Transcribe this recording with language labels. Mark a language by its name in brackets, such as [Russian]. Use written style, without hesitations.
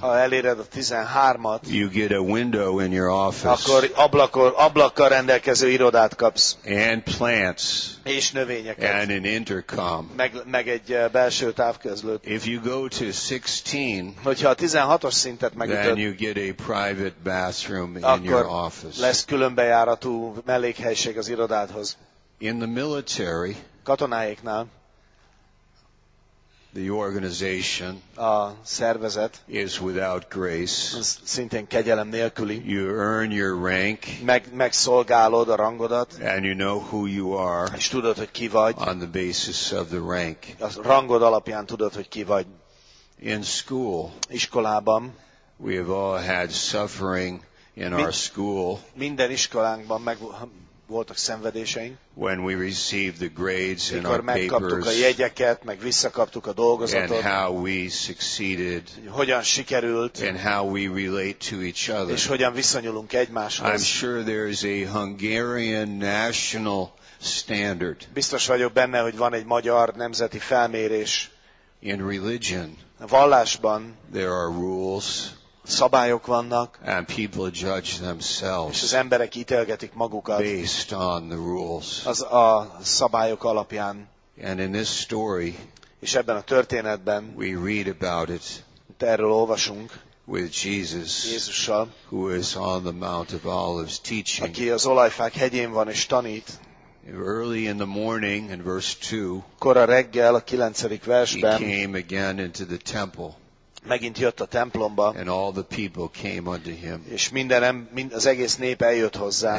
[Hungarian] ha eléred a 13-at, [English] you get a window in your office. [Hungarian] Akkor ablakkal rendelkező irodát kapsz. [English] And plants. [Hungarian] És növényeket. [English] And an intercom. [Hungarian] Meg egy belső távközlőt. [English] If you go to 16, [Hungarian] hogyha a 16-os szintet megütöd, [English] then you get a private bathroom in your office. [Hungarian] Akkor lesz különbejáratú mellékhelység az irodádhoz. [English] In the military, [Hungarian] katonáiknál, [English] the organization [Hungarian] a szervezet [English] is without grace. [Hungarian] Szintén kegyelem nélküli. [English] You earn your rank. [Hungarian] Megszolgálod a rangodat. [English] And you know who you are. [Hungarian] És tudod, hogy ki vagy. [English] On the basis of the rank. [Hungarian] A rangod alapján tudod, hogy ki vagy. [English] In school. [Hungarian] Iskolában. [English] We have all had suffering in our school. [Hungarian] Minden iskolánkban voltak szenvedéseink. [English] When we received the grades in our papers. [Hungarian] Mikor megkaptuk a jegyeket, meg visszakaptuk a dolgozatot. [English] And how we succeeded. [Hungarian] Hogyan sikerült. [English] And how we relate to each other. [Hungarian] És hogyan viszonyulunk egymáshoz. [English] I'm sure there is a Hungarian national standard. [Hungarian] Biztos vagyok benne, hogy van egy magyar nemzeti felmérés. [English] In religion. [Hungarian] A vallásban. [English] There are rules. [Hungarian] Szabályok vannak, [English] and people judge themselves, [Hungarian] és az emberek ítélgetik magukat [English] based on the rules. [Hungarian] Az a szabályok alapján. [English] And in this story, [Hungarian] és ebben a történetben [English] we read about it, [Hungarian] erről olvasunk, [English] with Jesus, [Hungarian] Jézussal, [English] who is on the Mount of Olives teaching, [Hungarian] aki az Olajfák hegyén van és tanít. [English] Early in the morning, in verse 2, [Hungarian] kora reggel, a 9. versben, [English] he came again into the temple. [Hungarian] Megint jött a templomba, [English] and all the people came unto him, [Hungarian] és az egész nép eljött hozzá,